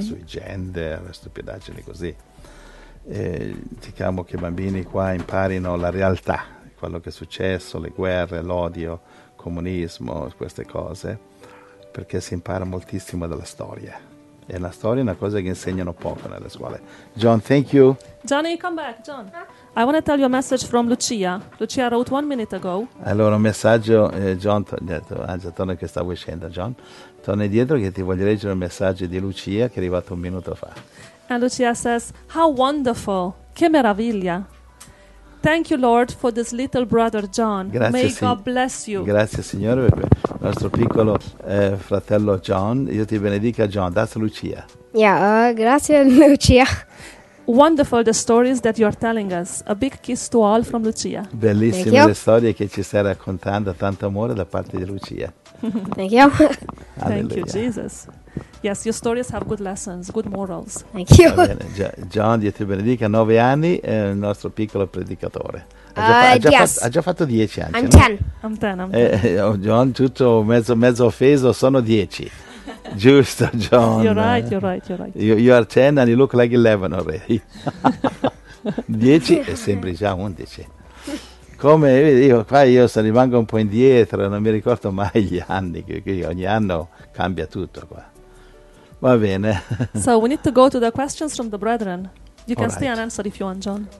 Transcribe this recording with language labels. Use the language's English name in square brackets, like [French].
[Italian] Sui gender, le stupidaggini così. Diciamo che i bambini qua imparino la realtà, quello che è successo, le guerre, l'odio, il comunismo, queste cose, perché si impara moltissimo dalla storia, e la storia è una cosa che insegnano poco nelle scuole. [English] John, thank you. Johnny, come back. John, I want to tell you a message from Lucia. Lucia wrote 1 minute ago. [Italian] Allora, un messaggio, John, torna che stavo uscendo, John, torna indietro che ti voglio leggere un messaggio di Lucia che è arrivato un minuto fa. [English] And Lucia says, how wonderful, [Italian] che meraviglia. [English] Thank you, Lord, for this little brother, John. [Italian] Grazie, [English] may God bless you. [Italian] Grazie, Signore, per il nostro piccolo fratello John. Io ti benedica, John. [English] That's Lucia. Yeah, [Italian] grazie, Lucia. [English] Wonderful the stories that you are telling us. A big kiss to all from Lucia. [Italian] Bellissime le storie che ci stai raccontando, tanto amore da parte di Lucia. [English] Thank you. Thank you, Jesus. Yes, your stories have good lessons, good morals. Thank you. [Italian] John, Dio ti benedica, 9 anni, è il nostro piccolo predicatore. Ha già fatto 10 anni. [English] I'm no? 10. I'm 10. [Italian] John, tutto mezzo offeso, sono 10. Giusto, John. [English] You're right. You are 10 and you look like 11 already. [Italian] 10 è sempre già 11. Come, io rimango un po' indietro, non mi ricordo mai gli anni, che ogni anno cambia tutto qua. Va bene. [English] So we need to go to the questions from the brethren. You can stay and answer if you want, John.